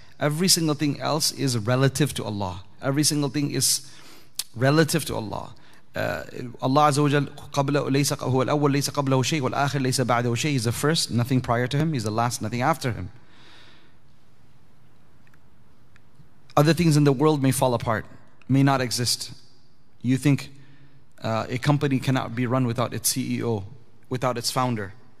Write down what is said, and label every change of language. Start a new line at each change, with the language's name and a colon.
English: Every single thing else is relative to Allah. Every single thing is relative to Allah. Allah Azza wa Jal,
Arabic: هو الأول ليس قبله شيء والآخر ليس بعده شيء.
English: He's the first, nothing prior to him. He's the last, nothing after him. Other things in the world may fall apart, may not exist. You think a company cannot be run without its CEO, without its founder.